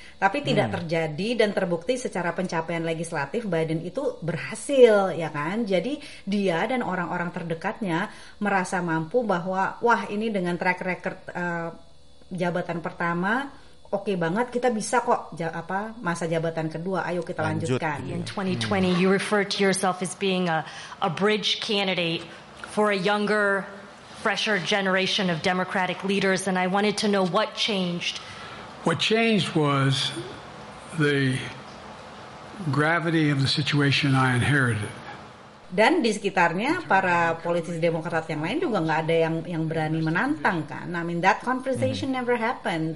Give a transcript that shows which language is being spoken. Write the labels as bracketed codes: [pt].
[id] Tapi tidak terjadi, dan terbukti secara pencapaian legislatif Biden itu berhasil, ya kan? Jadi dia dan orang-orang terdekatnya merasa mampu bahwa wah, ini dengan track record jabatan pertama oke banget, kita bisa kok masa jabatan kedua, ayo kita lanjutkan. [en] In 2020 you referred to yourself as being a bridge candidate for a younger, fresher generation of Democratic leaders, and I wanted to know what changed. What changed was the gravity of the situation I inherited. [id] Dan di sekitarnya para politisi Demokrat yang lain juga nggak ada yang berani menantang, kan? [en] I mean that conversation never happened.